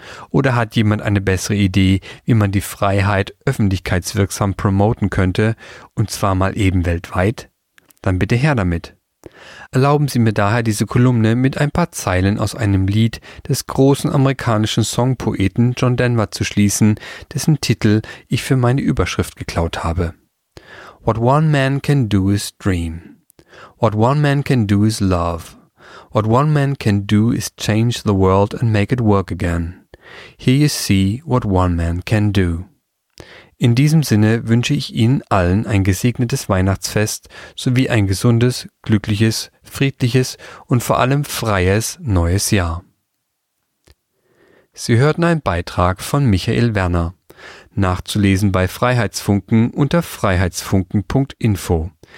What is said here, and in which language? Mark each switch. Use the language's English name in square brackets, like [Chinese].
[German] Oder hat jemand eine bessere Idee, wie man die Freiheit öffentlichkeitswirksam promoten könnte, und zwar mal eben weltweit? Dann bitte her damit. Erlauben Sie mir daher diese Kolumne mit ein paar Zeilen aus einem Lied des großen amerikanischen Songpoeten John Denver zu schließen, dessen Titel ich für meine Überschrift geklaut habe. [English] What one man can do is dream. What one man can do is love. What one man can do is change the world and make it work again. Here you see what one man can do. [German] In diesem Sinne wünsche ich Ihnen allen ein gesegnetes Weihnachtsfest sowie ein gesundes, glückliches, friedliches und vor allem freies neues Jahr. Sie hörten einen Beitrag von Michael Werner. Nachzulesen bei Freiheitsfunken unter freiheitsfunken.info.